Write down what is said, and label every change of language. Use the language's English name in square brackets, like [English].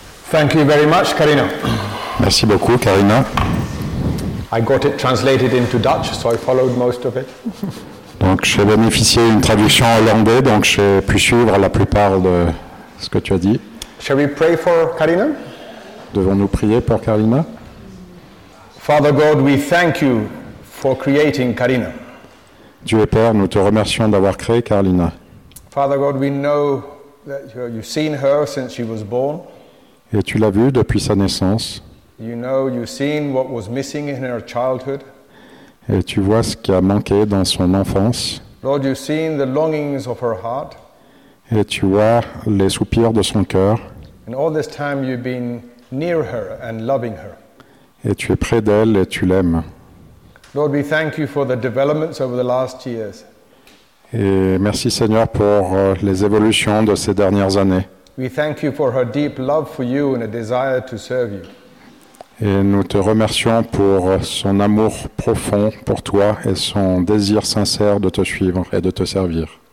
[English] Thank you very much, Karina. [French] Merci beaucoup, Karina. [English] I got it translated into Dutch, so I followed most of it. [French] Donc, j'ai bénéficié d'une traduction hollandaise, donc j'ai pu suivre la plupart de ce que tu as dit. [English] Shall we pray for Karina? [French] Devons-nous prier pour Karina? [English] Father God, we thank you for creating Karina. [French] Dieu et Père, nous te remercions d'avoir créé Karina. [English] Father God, we know that you've seen her since she was born. [French] Et tu l'as vue depuis sa naissance. [English] You know, you've seen what was missing in her childhood. [French] Et tu vois ce qui a manqué dans son enfance. [English] Lord, you've seen the longings of her heart. [French] Et tu vois les soupirs de son cœur. [English] And all this time you've been near her and loving her. [French] Et tu es près d'elle et tu l'aimes. [English] Lord, we thank you for the developments over the last years. [French] Et merci Seigneur pour les évolutions de ces dernières années. [English] We thank you for her deep love for you and a desire to serve you. [French] Et nous te remercions pour son amour profond pour toi et son désir sincère de te suivre et de te servir.